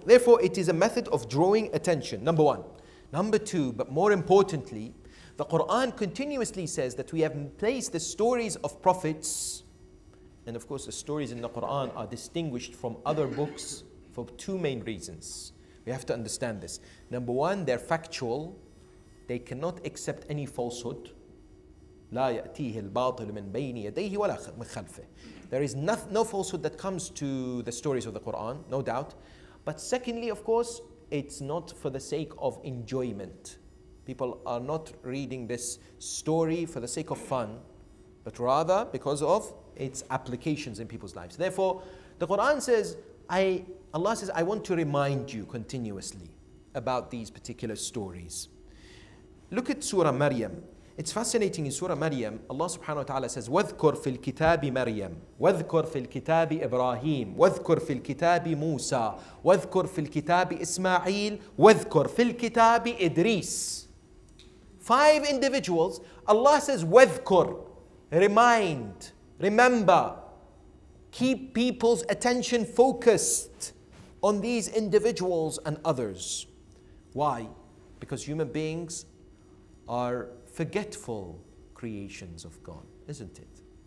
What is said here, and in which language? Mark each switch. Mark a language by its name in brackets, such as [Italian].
[English] Therefore, it is a method of drawing attention, number one. Number two, but more importantly, the Quran continuously says that we have placed the stories of prophets, and of course the stories in the Quran are distinguished from other books for two main reasons. We have to understand this. Number one, they're factual. They cannot accept any falsehood. [Arabic] لا يأتيه الباطل من بين يديه ولا من خلفه. [English] There is no falsehood that comes to the stories of the Quran, no doubt. But secondly, of course, it's not for the sake of enjoyment. People are not reading this story for the sake of fun, but rather because of its applications in people's lives. Therefore, the Quran says, Allah says, I want to remind you continuously about these particular stories. Look at Surah Maryam. It's fascinating. In Surah Maryam, Allah subhanahu wa ta'ala says, [Arabic] وَذْكُرْ فِي الْكِتَابِ مَرْيَمْ وَذْكُرْ فِي الْكِتَابِ إِبْرَاهِيمْ وَذْكُرْ فِي الْكِتَابِ مُوسَى وَذْكُرْ فِي الْكِتَابِ إِسْمَاعِيلْ وَذْكُرْ فِي الْكِتَابِ إِدْرِيسْ. [English] Five individuals, Allah says, وَذْكُرْ, remind, remember, keep people's attention focused on these individuals and others. Why? Because human beings are forgetful creations of God, isn't it?